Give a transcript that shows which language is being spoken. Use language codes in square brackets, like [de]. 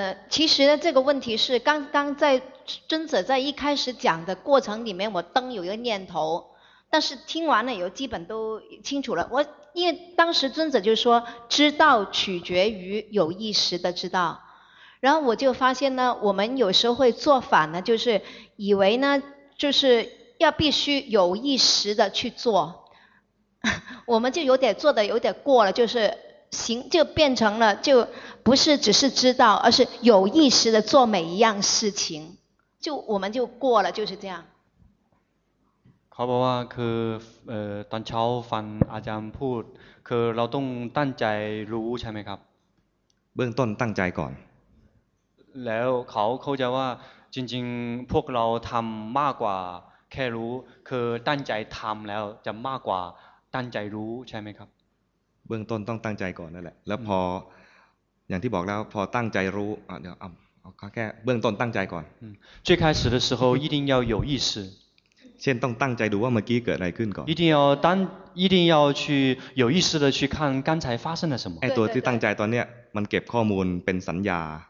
[zh] 其实呢，这个问题是刚刚在尊者在一开始讲的过程里面，我登有一个念头，但是听完了以后基本都清楚了。我因为当时尊者就说，知道取决于有意识的知道，然后我就发现呢，我们有时候会做反呢，就是以为呢，就是要必须有意识的去做，我们就有点做的有点过了，就是。行就变成了就不是只是知道，而是有意识的做每一样事情，就我们就过了，就是这样。 [th] ครับว่าคือตอนเช้าฟังอาจารย์พูดคือเราต้องตั้งใจรู้ใช่ไหมครับ เบื้องต้นตั้งใจก่อน แล้วเขาเข้าใจว่าจริงๆพวกเราทำมากกว่าแค่รู้คือตั้งใจทำแล้วจะมากกว่าตั้งใจรู้ใช่ไหมครับ เบื้องต้นต้องตั้งใจก่อนนั่นแหละแล้วพออย่างที่บอกแล้วพอตั้งใจรู้เดี๋ยวแค่เบื้องต้นตั้งใจก่อน [zh] 最开始的时候一定要有意识 [th] เช่นต้องตั้งใจดูว่าเมื่อกี้เกิดอะไรขึ้นก่อน [zh] 一定要去有意识的去看刚才发生了什么 [th] ไอ้ตัวที่ตั้งใจตอนเนี้ยมันเก็บข้อมูลเป็นสัญญา